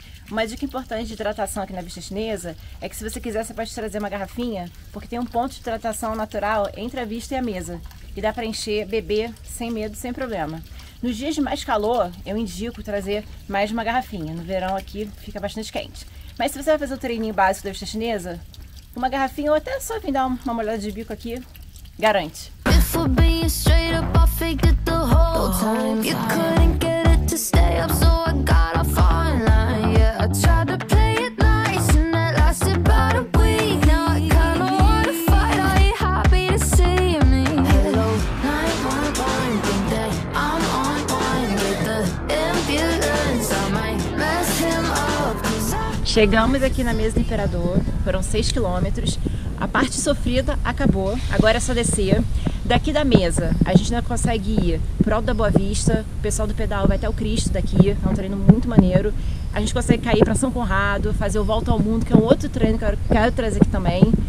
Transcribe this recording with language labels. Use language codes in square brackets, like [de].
[pt] Uma dica importante de hidratação aqui na vista chinesa é que se você quiser, você pode trazer uma garrafinha, porque tem um ponto de hidratação natural entre a vista e a mesa. E dá para encher, beber, sem medo, sem problema. Nos dias de mais calor, eu indico trazer mais uma garrafinha. No verão aqui fica bastante quente. Mas se você vai fazer o treininho básico da vista chinesa, uma garrafinha ou até só vir dar uma molhada de bico aqui, garante. [en] If we're being straight up, I faked it the whole time. You couldn't get it to stay up, so I got off online. Yeah, I tried to play it nice and that lasted about a week. Now I kinda wanna fight. Are you happy to see me? Hello, 911. Think that I'm on one with the ambulance. I might mess him up. [pt] Chegamos aqui na mesa do Imperador. Foram 6 km. A parte sofrida acabou. Agora é só descer. Daqui da mesa, a gente ainda consegue ir pro Alto da Boa Vista. O pessoal do pedal vai até o Cristo daqui. É um treino muito maneiro. A gente consegue cair para São Conrado, fazer o Volta ao Mundo, que é um outro treino que eu quero trazer aqui também.